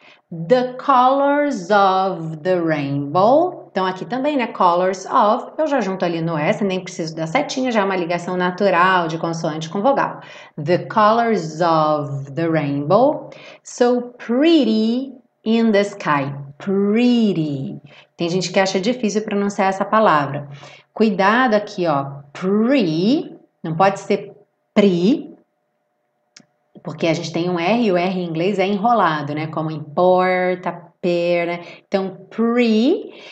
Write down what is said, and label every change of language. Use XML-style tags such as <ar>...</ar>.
<en>The colors of the rainbow.</en> <pt>Então, aqui também, né?</pt> <en>Colors of.</en> <pt>Eu já junto ali no S, nem preciso da setinha, já é uma ligação natural de consoante com vogal.</pt> <en>The colors of the rainbow. So pretty in the sky. Pretty.</en> <pt>Tem gente que acha difícil pronunciar essa palavra. Cuidado aqui, ó. Pre. Não pode ser pre. Porque a gente tem um R e o R em inglês é enrolado, né? Como importa, per, né? Então, pre.</pt>